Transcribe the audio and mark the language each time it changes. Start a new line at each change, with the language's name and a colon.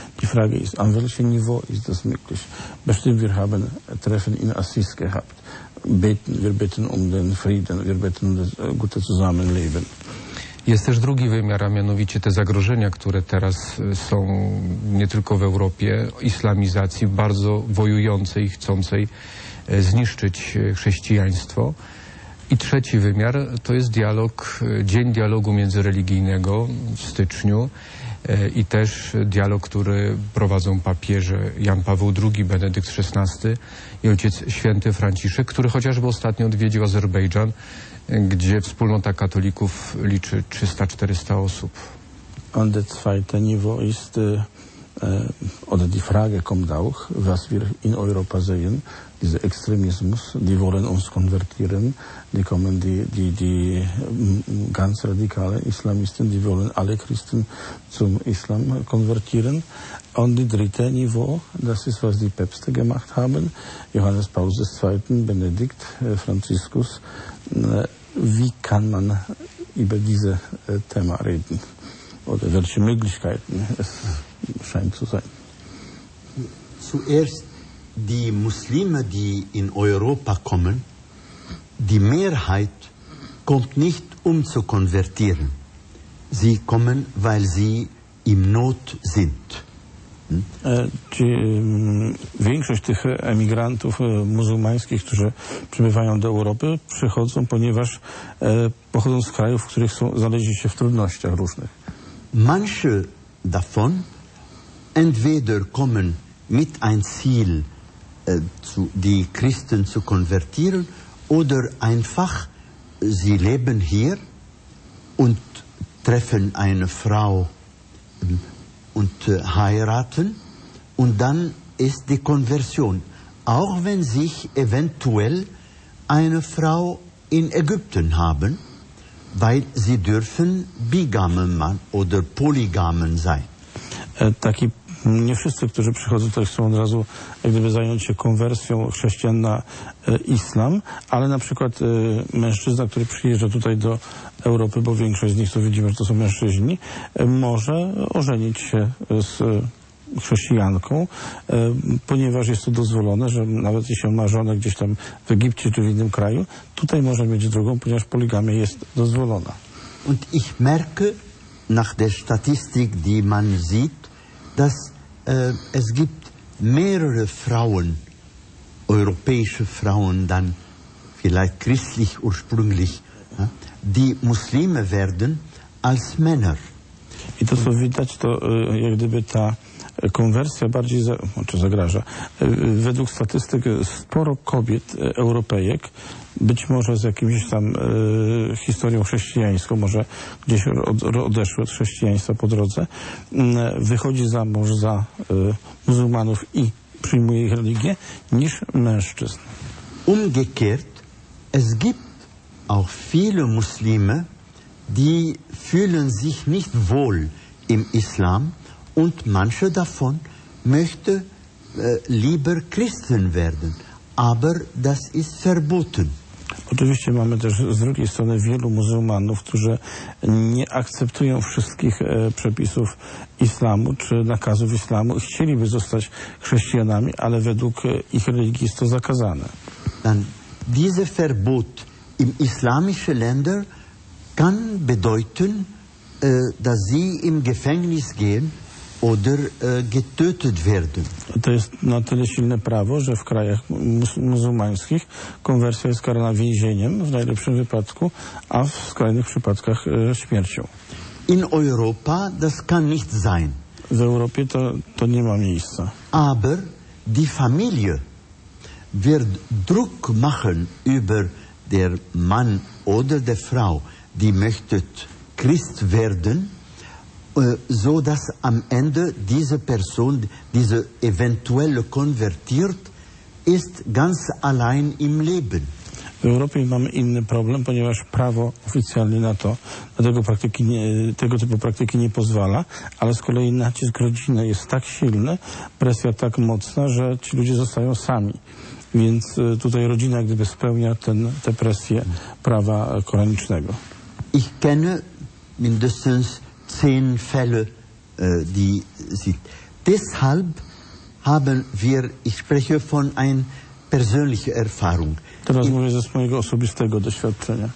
German: Die Frage ist, an welchem Niveau ist das möglich? Bestimmt, wir haben Treffen in Assis gehabt. Wir bitten um den Frieden, wir bitten um das gute Zusammenleben.
Polish: Jest też drugi wymiar, a mianowicie te zagrożenia, które teraz są nie tylko w Europie, islamizacji bardzo wojującej i chcącej zniszczyć chrześcijaństwo. I trzeci wymiar to jest dialog, Dzień Dialogu Międzyreligijnego w styczniu i też dialog, który prowadzą papieże Jan Paweł II, Benedykt XVI i Ojciec Święty Franciszek, który chociażby ostatnio odwiedził Azerbejdżan, gdzie wspólnota katolików liczy 300-400 osób.
German: Und das zweite Niveau ist oder die Frage kommt auch, was wir in Europa sehen, dieser Extremismus, die wollen uns konvertieren, die kommen die ganz radikale Islamisten, die wollen alle Christen zum Islam konvertieren. Und das dritte Niveau, das ist, was die Päpste gemacht haben, Johannes Paul II., Benedikt, Franziskus. Wie kann man über diese Thema reden? Oder welche Möglichkeiten es scheint zu sein? Zuerst, die Muslime, die in Europa kommen, die Mehrheit kommt nicht, um zu konvertieren. Sie kommen, weil sie in Not sind.
Polish: Czy większość tych emigrantów muzułmańskich, którzy przybywają do Europy, przychodzą, ponieważ pochodzą z krajów, w których znaleźli się w trudnościach różnych?
German: Manche davon, entweder kommen mit ein Ziel, zu, die Christen zu konvertieren, oder einfach, sie leben hier und treffen eine Frau und heiraten, und dann ist die Konversion. Auch wenn sich eventuell eine Frau in Ägypten haben, weil sie dürfen bigamen oder polygamen sein.
Polish: Taki, nie wszyscy, którzy przychodzą, to chcą od razu jak gdyby zająć się konwersją chrześcijan na islam, ale na przykład mężczyzna, który przyjeżdża tutaj do Europy, bo większość z nich, to widzimy, że to są mężczyźni, może ożenić się z chrześcijanką, ponieważ jest to dozwolone, że nawet jeśli on ma żonę gdzieś tam w Egipcie czy w innym kraju, tutaj może mieć drugą, ponieważ poligamia jest dozwolona.
German: Und ich merke nach der Statistik, die man sieht, dass es gibt mehrere Frauen, europäische Frauen dann vielleicht christlich ursprünglich, die Muslime werden als Männer.
Polish: I to co widać, to jak gdyby ta konwersja bardziej zagraża. Według statystyk sporo kobiet, Europejek, być może z jakimś tam historią chrześcijańską, może gdzieś odeszły od chrześcijaństwa po drodze, wychodzi za mąż za muzułmanów i przyjmuje ich religię, niż mężczyzn.
German: Umgekehrt, es gibt auch viele Muslime, die fühlen sich nicht wohl im Islam, und manche davon möchte lieber Christen werden, aber das ist verboten.
Polish: Oczywiście mamy też z drugiej strony wielu muzułmanów, którzy nie akceptują wszystkich przepisów islamu czy nakazów islamu, chcieliby zostać chrześcijanami, ale według ich religii jest to zakazane.
German: Dann diese Verbot im islamische Länder kann bedeuten, dass sie im Gefängnis gehen. Oder getötet werden.
Polish: To jest na tyle silne prawo, że w krajach muzułmańskich konwersja jest karana więzieniem, w najlepszym wypadku, a w skrajnych przypadkach śmiercią.
German: In Europa das kann nicht sein.
Polish: W Europie to nie ma miejsca.
German: Aber die Familie wird Druck machen über der Mann oder der Frau, die möchte Christ werden, so dass am Ende diese Person, diese eventuelle konvertiert, ist ganz allein im Leben.
Polish: W Europie mamy inny problem, ponieważ prawo oficjalne na to, na tego, praktyki nie, tego typu praktyki nie pozwala, ale z kolei nacisk rodziny jest tak silny, presja tak mocna, że ci ludzie zostają sami. Więc tutaj rodzina jak gdyby spełnia tę presję prawa koranicznego.
German: Ich kenne mindestens 10 Fälle, die sind. Deshalb haben wir, ich spreche von einer persönlichen Erfahrung.
Polish: Teraz mówię ze mojego osobistego doświadczenia.